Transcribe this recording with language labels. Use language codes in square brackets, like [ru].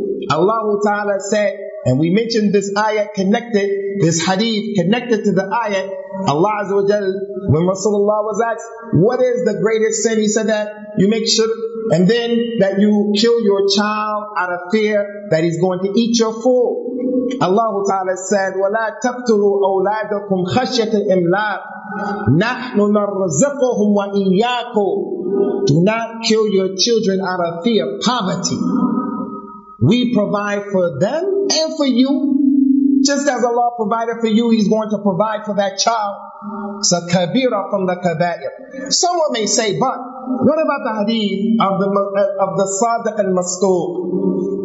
[en] Allah Ta'ala said, and we mentioned this ayah connected, this hadith connected to the ayah, Allah Azza wa Jal, when Rasulullah was asked, what is the greatest sin? He said that you make shirk, and then that you kill your child out of fear that he's going to eat your food. Allah Ta'ala said, [ar] وَلَا تَقْتُلُوا أَوْلَادَكُمْ خَشْيَةَ إِمْلَاقٍ نَحْنُ نَرْزَقُهُمْ وَإِيَّاكُمْ. [en] Do not kill your children out of fear of poverty. We provide for them and for you. Just as Allah provided for you, He's going to provide for that child. It's a kabira from the kabair. Someone may say, but what about the hadith of the Sadiq al-Masdoq?